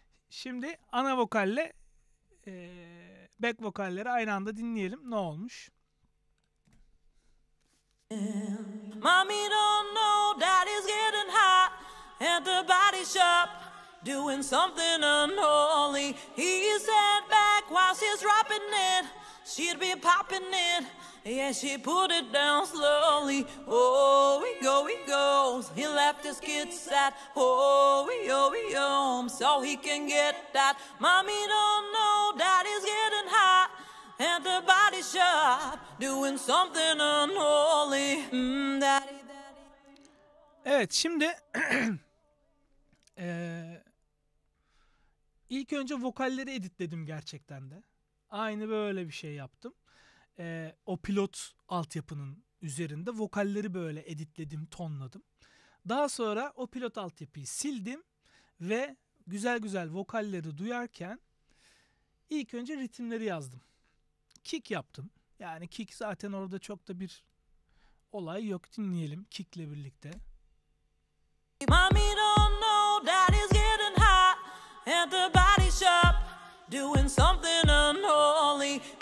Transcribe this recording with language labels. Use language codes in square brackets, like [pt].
[tr] Şimdi ana vokalle back vokalleri aynı anda dinleyelim. Ne olmuş? [en] Mommy don't know daddy's getting hot at the body shop doing something unholy. He sat back while she's dropping it. She'd be popping it. Yeah, she put it down slowly. Oh, we go, he goes. He left his kids at home so he can get that. Mommy don't know daddy's getting hot at the body shop doing something unholy. Daddy. [tr] Evet, şimdi ilk önce vokalleri editledim gerçekten de. Aynı böyle bir şey yaptım. O pilot altyapının üzerinde vokalleri böyle editledim, tonladım. Daha sonra o pilot altyapıyı sildim ve güzel güzel vokalleri duyarken ilk önce ritimleri yazdım. Kick yaptım. Yani kick zaten orada çok da bir olay yok. Dinleyelim kickle birlikte. [en] Mommy don't know daddy's getting hot at the body shop doing something unholy.